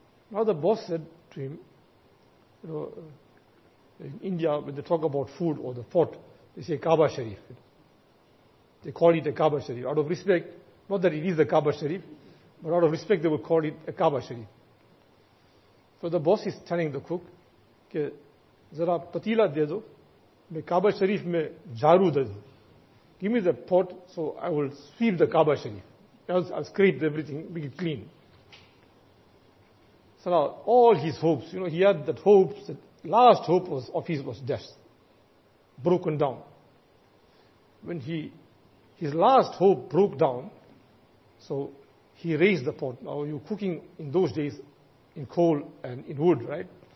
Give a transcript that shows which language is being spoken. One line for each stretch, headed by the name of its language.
English: Now the boss said to him, you know, in India, when they talk about food or the pot, they say Kaaba Sharif. They call it a Kaaba Sharif. Out of respect, not that it is the Kaaba Sharif, but out of respect they will call it a Kaaba Sharif. So the boss is telling the cook, okay,
Urdu: ذرا پتیلا دے دو,
English: میں Kaaba Sharif میں جھاڑو دے دو, give me the pot so I will sweep the Kaaba Sharif, scrape everything, make it clean. So now, all his hopes, you know, he had that hope, that last hope was of his was death, broken down. When his last hope broke down, so he raised the pot. Now, you're cooking in those days in coal and in wood, right?